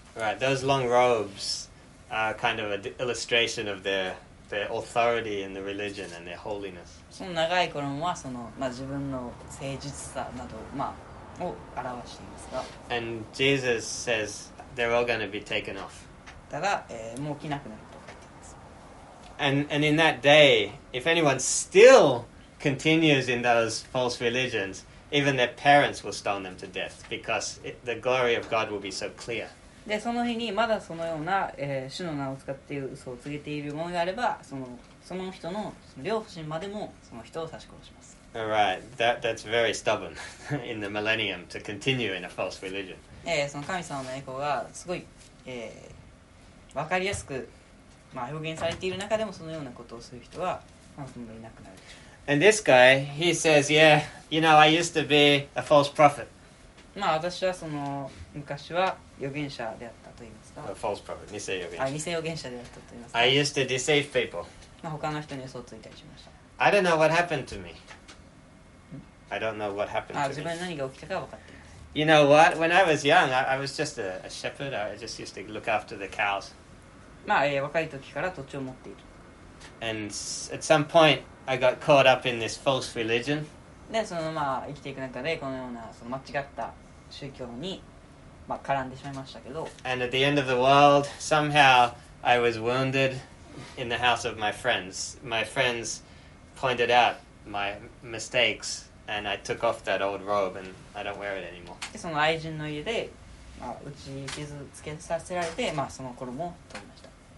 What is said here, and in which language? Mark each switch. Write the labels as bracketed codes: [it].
[en] Right, those long robes are kind of an illustration of their authority in the religion and their holiness. [ja] その長い衣はその、まあ、自分の誠実さなど、まあ、を表していますが。 [en] And Jesus says they're all going to be taken off. [ja] ただ、もう着なくなると書いています。 [en] And in that day, if anyone still continues in those false religions, even their parents will stone them to death because the glory of God will be so clear. [ja] で、その日にまだそのような、主の名を使って嘘を告げているものがあれば、その人の両親までもその人を刺し殺します。 [en] All right, that's very stubborn in the millennium to continue in a false religion. [ja] その神様の栄光がすごい、分かりやすく、まあ、表現されている中でもそのようなことをする人は、まあ、そんなにいなくなる。 [en] And this guy, he says, yeah, you know, I used to be a false prophet. [ja] まあ、私はその昔は預言者であったと言いますか。 [en] A false prophet, 偽預言者 [ja] であったと言いますか。 [en] I used to deceive people. [ja] まあ、他の人に嘘をついたりしました。 [en] I don't know what happened to me. I don't know what happened to me. [ja] 自分に何が起きたかは分かっています。 [en] You know what? When I was young, I was just a shepherd. I just used to look after the cows. [ja] まあ、若い時から土地を持っている。 [en] And at some point,I got caught up in this false religion. [ja] で、そのまあ生きていく中でこのようなその間違った宗教にまあ絡んでしまいましたけど。 [en] And at the end of the world, somehow I was wounded in the house of my friends. My friends pointed out my mistakes, and I took off that old robe, and I don't wear it anymore. [ja] で、その愛人の家で、まあ、打ち傷つけさせられて、まあその衣を取りました。